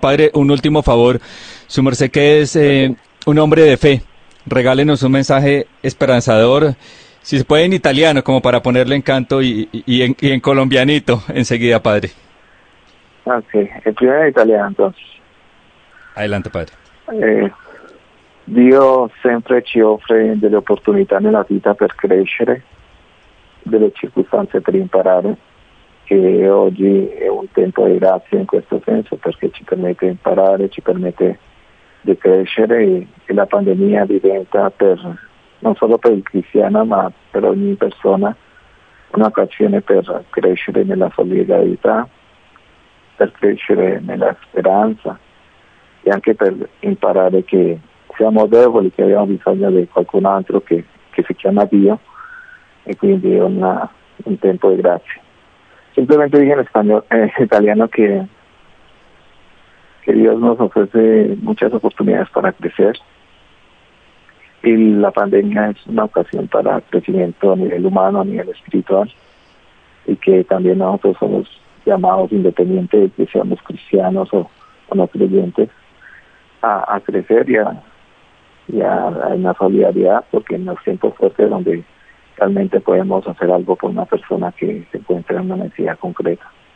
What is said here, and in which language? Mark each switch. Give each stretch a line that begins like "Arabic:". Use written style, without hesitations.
Spanish: Padre, un último favor, su merced que es un hombre de fe, regálenos un mensaje esperanzador, si se puede en italiano, como para ponerle encanto y en colombianito enseguida, padre. Ok, el primero en italiano, entonces. Adelante, padre.
Italian: Dio sempre ci offre delle opportunità nella vita per crescere, delle circostanze per imparare, che oggi è un tempo di grazia in questo senso, perché ci permette di imparare, ci permette di crescere, e la pandemia diventa per non solo per il cristiano, ma per ogni persona, un'occasione per crescere nella solidarietà, per crescere nella speranza e anche per imparare che siamo deboli, che abbiamo bisogno di qualcun altro che si chiama Dio, e quindi è un tempo di grazia.
Spanish: Simplemente
Italian: dico in italiano che
Spanish: Dio nos ofrece muchas oportunidades para crecer. Y la pandemia es una ocasión para crecimiento a nivel humano, a nivel espiritual, y que también nosotros somos llamados, independiente de que seamos cristianos o no creyentes, a crecer y a una solidaridad, porque en los tiempos fuertes donde realmente podemos hacer algo por una persona que se encuentra en una necesidad concreta.